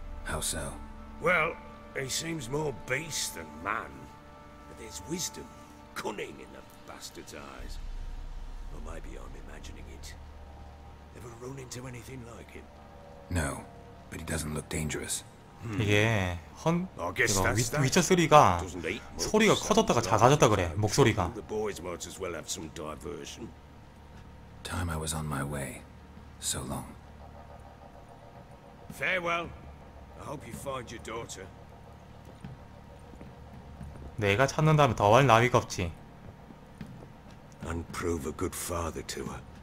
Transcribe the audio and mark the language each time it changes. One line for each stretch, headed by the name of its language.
English: How so? Well, he seems more beast than man, but there's wisdom, cunning in the bastard's eyes. Or maybe I'm imagining it. Ever run into anything like him? No, but he doesn't look dangerous.
Korean: Yeah, 위쳐3가 소리가 커졌다가 작아졌다 그래, 목소리가.
English: The boys might as well have some diversion. Time I was on my way. So long. Farewell. I hope you find your daughter.
Korean: 내가 찾는다면 더할 나위가 없지.
English: And prove a good father to her.